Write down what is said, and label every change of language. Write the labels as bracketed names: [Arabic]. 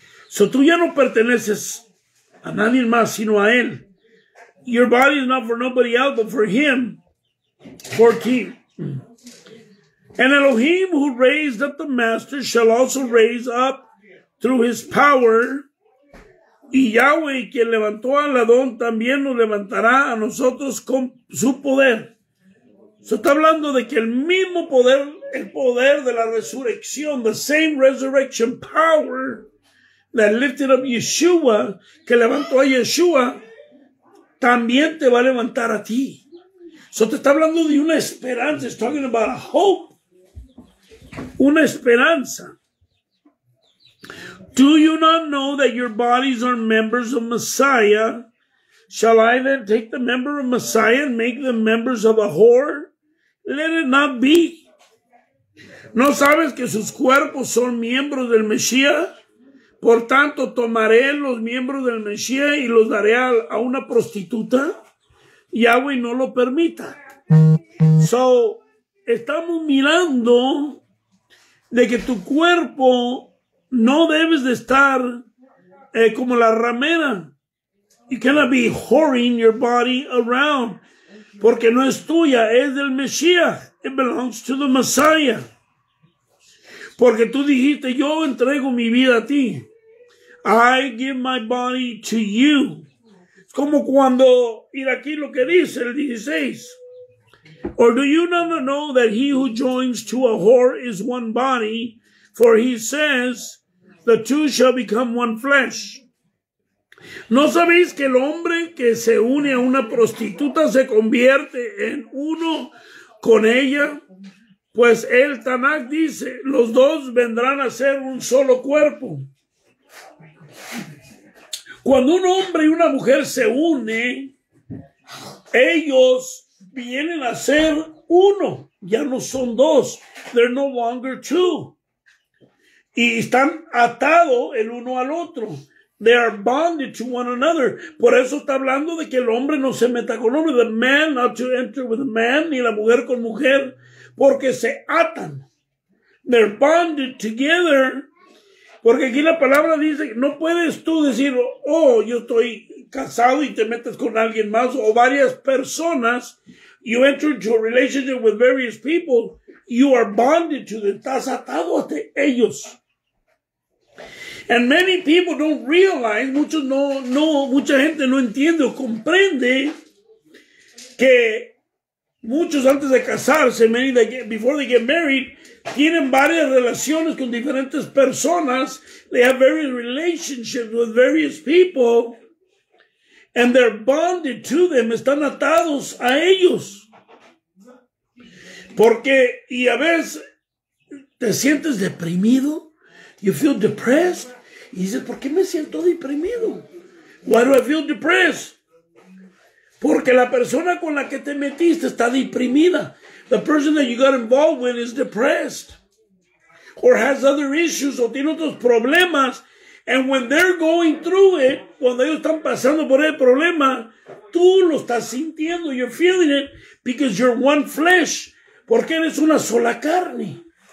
[Spanish] So tú ya no perteneces a nadie más sino a él. [English] Your body is not for nobody else but for him. 14. And Elohim who raised up the master shall also raise up through his power. [Spanish] Y Yahweh, quien levantó a Adón, también nos levantará a nosotros con su poder. Se está hablando de que el mismo poder, el poder de la resurrección, [English] the same resurrection power that lifted up Yeshua, [Spanish] que levantó a Yeshua, también te va a levantar a ti. Se te está hablando de una esperanza, [English] it's talking about a hope, [Spanish] una esperanza. [English] Do you not know that your bodies are members of Messiah? Shall I then take the member of Messiah and make them members of a whore? Let it not be. [Spanish] ¿No sabes que sus cuerpos son miembros del Mesías? Por tanto, tomaré los miembros del Mesías y los daré a una prostituta. Yahweh no lo permita. So, estamos mirando de que tu cuerpo no debes de estar como la ramera. [English] You cannot be whoring your body around. [Spanish] Porque no es tuya, es del Mesías. [English] It belongs to the Messiah. [Spanish] Porque tú dijiste, yo entrego mi vida a ti. [English] I give my body to you. [Spanish] Es como cuando, ir aquí lo que dice el 16. [English] Or do you not know that he who joins to a whore is one body? For he says, the two shall become one flesh. [Spanish] ¿No sabéis que el hombre que se une a una prostituta se convierte en uno con ella? Pues el Tanakh dice, los dos vendrán a ser un solo cuerpo. Cuando un hombre y una mujer se unen, ellos vienen a ser uno. Ya no son dos. [English] They're no longer two. [Spanish] Y están atados el uno al otro. [English] They are bonded to one another. [Spanish] Por eso está hablando de que el hombre no se meta con hombre. [English] The man not to enter with a man. [Spanish] Ni la mujer con mujer. Porque se atan. [English] They're bonded together. [Spanish] Porque aquí la palabra dice, no puedes tú decir, oh, yo estoy casado y te metes con alguien más. O varias personas. [English] You enter into a relationship with various people. You are bonded to them. [Spanish] Estás atado hasta ellos. [English] And many people don't realize, [Spanish] muchos mucha gente no entiende o comprende que Muchos antes de casarse, [English] many they get, before they get married, [Spanish] tienen varias relaciones con diferentes personas. [English] They have various relationships with various people. And they're bonded to them. [Spanish] Están atados a ellos. Porque, y a veces, te sientes deprimido. [English] You feel depressed. [Spanish] Y dices, ¿por qué me siento deprimido? [English] Why do I feel depressed? [Spanish] Porque la persona con la que te metiste está deprimida. [English] The person that you got involved with is depressed. Or has other issues. [Spanish] O tiene otros problemas. [English] And when they're going through it, [Spanish] cuando ellos están pasando por el problema, tú lo estás sintiendo. [English] You're feeling it because you're one flesh. [Spanish] Porque eres una sola carne.